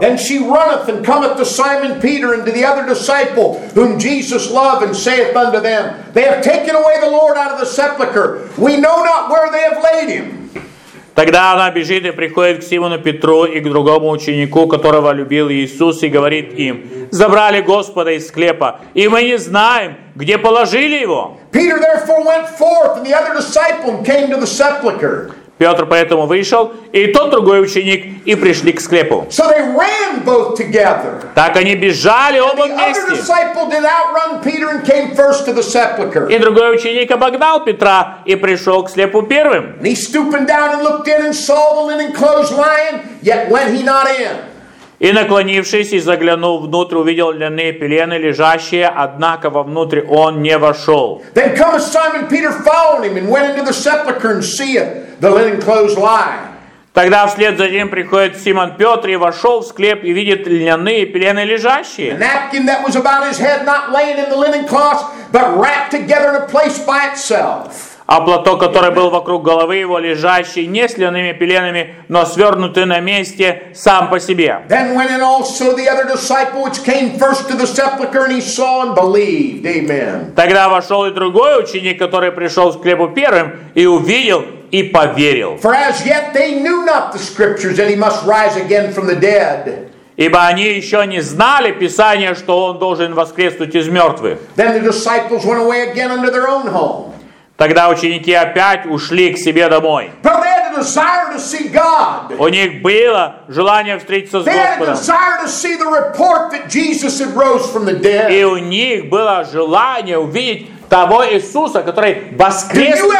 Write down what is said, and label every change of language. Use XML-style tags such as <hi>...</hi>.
<en>Then she runneth and cometh to Simon Peter and to the other disciple, whom Jesus loved, and saith unto them, They have taken away the Lord out of the sepulchre. We know not where they have laid him.</en> <ru>Тогда она бежит и приходит к Симону Петру и к другому ученику, которого любил Иисус, и говорит им, «Забрали Господа из склепа, и мы не знаем, где положили Его».</ru> <en>Peter therefore went forth, and the other disciple came to the sepulchre.</en> <ru>Петр поэтому вышел, и тот другой ученик, и пришли к склепу.</ru> <en>So they ran both together.</en> <ru>Так они бежали оба вместе.</ru> <en>The other disciple did outrun Peter and came first to the sepulchre.</en> <ru>И другой ученик обогнал Петра и пришел к слепу первым.</ru> <en>And he stooped down and looked in and saw the linen clothes lying, yet went he not in.</en> <ru>И наклонившись и заглянув внутрь, увидел льняные пелены, лежащие, однако вовнутрь он не вошел.</ru> <en>Then cometh Simon Peter following him and went into the sepulchre and seeth. The linen clothes lie.</en> <ru>Тогда вслед за ним приходит Симон Петр и вошел в склеп и видит льняные пелены лежащие.</ru> <en>The napkin that was about his head not laid in the linen cloth, but wrapped together in a place by itself.</en> <ru>А платок, который был вокруг головы его, лежащий не с льняными пеленами, но свернутый на месте сам по себе.</ru> <en>Then went in also the other disciple, which came first to the sepulchre, and he saw and believed. Amen.</en> <ru>Тогда вошел и другой ученик, который пришел в склеп первым и увидел. И поверил.</ru> <en>For as yet they knew not the scriptures that he must rise again from the dead.</en> <ru>Ибо они еще не знали Писания, что он должен воскреснуть из мертвых.</ru> <en>Then the disciples went away again unto their own home.</en> <ru>Тогда ученики опять ушли к себе домой.</ru> <en>But they had a desire to see God.</en> <ru>У них было желание встретиться с Господом.</ru> <en>They had a desire to see the report that Jesus had rose from the dead.</en> <ru>И у них было желание увидеть того Иисуса, который воскрес.</ru>